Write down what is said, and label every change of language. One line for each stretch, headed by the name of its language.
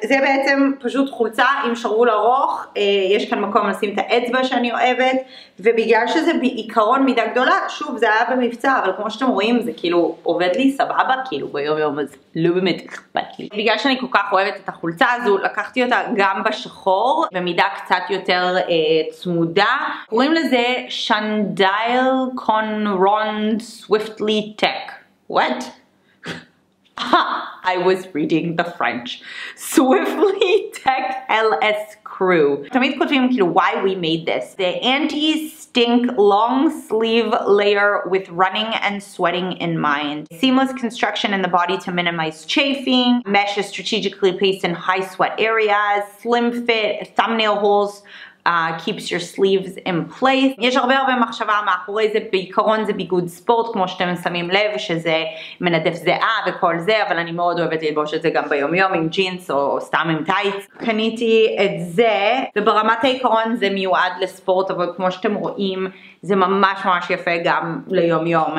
Hebrew: זה בעצם פשוט חולצה עם שרוול ארוך, יש כאן מקום לשים את האצבע שאני אוהבת, ובגלל שזה בעיקרון מידה גדולה, שוב, זה היה במבצע, אבל כמו שאתם רואים, זה כאילו עובד לי סבבה, כאילו ביום יום, אז לא באמת אכפת לי. בגלל שאני כל כך אוהבת את החולצה הזו, לקחתי אותה גם בשחור, במידה קצת יותר צמודה. קוראים לזה שנדייל קונרון סוויפטלי טק.
English: What? I was reading the French. Swiftly Tech LS Crew.
Hebrew: תמיד כותבים כאילו,
English: why we made this. The anti-stink long sleeve layer with running and sweating in mind. Seamless construction in the body to minimize chafing. Mesh is strategically placed in high sweat areas. Slim fit, thumbnail holes. Keeps your sleeves in place.
Hebrew: יש הרבה הרבה מחשבה מאחורי זה, בעיקרון זה ביגוד ספורט, כמו שאתם שמים לב, שזה מנדף זהה וכל זה, אבל אני מאוד אוהבת ללבוש את זה גם ביום יום, עם ג'ינס או סתם עם טייץ. קניתי את זה, וברמת העיקרון זה מיועד לספורט, אבל כמו שאתם רואים, זה ממש ממש יפה גם ליום יום.